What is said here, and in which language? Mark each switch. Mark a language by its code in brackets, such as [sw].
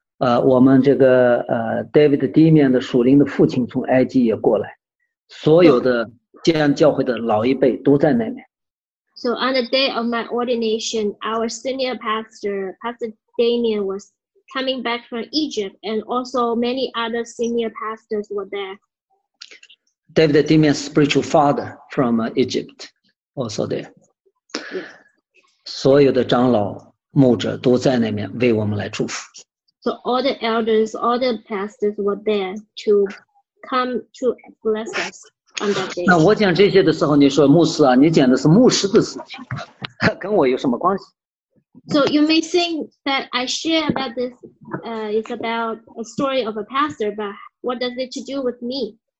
[zh] 而且在我暗牧的时候呢，我们这个David Damian的属灵的父亲从埃及也过来，所有的建安教会的老一辈都在那边。So [en] on the day of my ordination, our senior pastor, Pastor Damian, was coming back from Egypt, and also many other senior pastors were there. David Damian's spiritual father from Egypt also there. Yes. [zh] 所有的长老、牧者都在那边为我们来祝福。So [en] all the elders, all the pastors were there to come to bless us on that day. [zh] 那我讲这些的时候，你说牧师啊，你讲的是牧师的事情，跟我有什么关系？ [en] So you may think that I share about this is about a story of a pastor, but what does it to do with me?